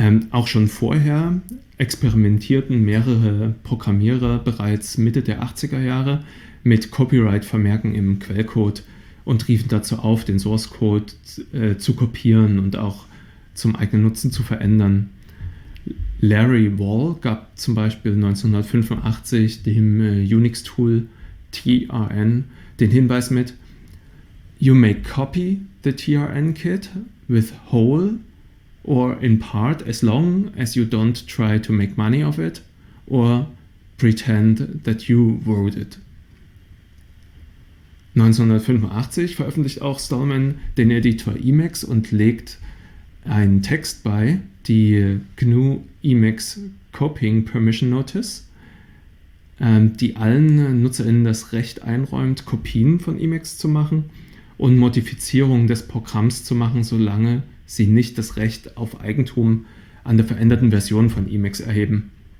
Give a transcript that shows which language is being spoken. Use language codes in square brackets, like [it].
[de] Auch schon vorher experimentierten mehrere Programmierer bereits Mitte der 80er Jahre mit Copyright-Vermerken im Quellcode und riefen dazu auf, den Source-Code zu kopieren und auch zum eigenen Nutzen zu verändern. Larry Wall gab zum Beispiel 1985 dem Unix-Tool TRN den Hinweis mit: [en] You may copy the TRN kit with whole or in part as long as you don't try to make money of it or pretend that you wrote it. [de] 1985 veröffentlicht auch Stallman den Editor Emacs und legt einen Text bei, die GNU Emacs Copying Permission Notice, die allen NutzerInnen das Recht einräumt, Kopien von Emacs zu machen und Modifizierungen des Programms zu machen, solange sie nicht das Recht auf Eigentum an der veränderten Version von Emacs erheben.